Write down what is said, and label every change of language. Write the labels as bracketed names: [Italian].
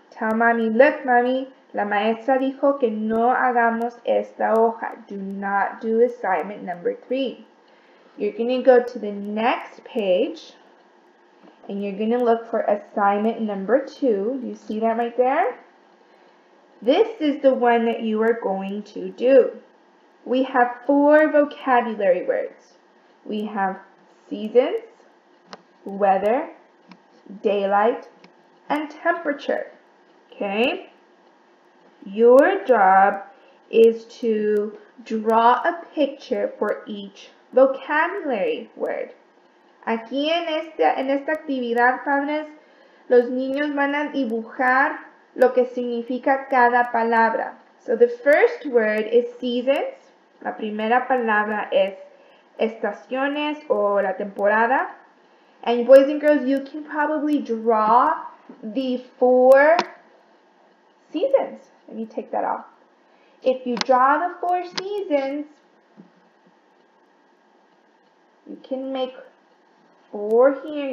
[English] Tell mommy, look, mommy, [Spanish] la maestra dijo que no hagamos esta hoja. [English] Do not do assignment number three. You're going to go to the next page, and you're going to look for assignment number two. Do you see that right there? This is the one that you are going to do. We have four vocabulary words. We have seasons, weather, daylight, and temperature. Okay? Your job is to draw a picture for each vocabulary word. [Spanish] Aquí en esta actividad, padres, los niños van a dibujar lo que significa cada palabra. [English] So the first word is seasons. [Spanish] La primera palabra es estaciones o la temporada. [English] And boys and girls, you can probably draw the four seasons. Let me take that off. If you draw the four seasons, you can make four here.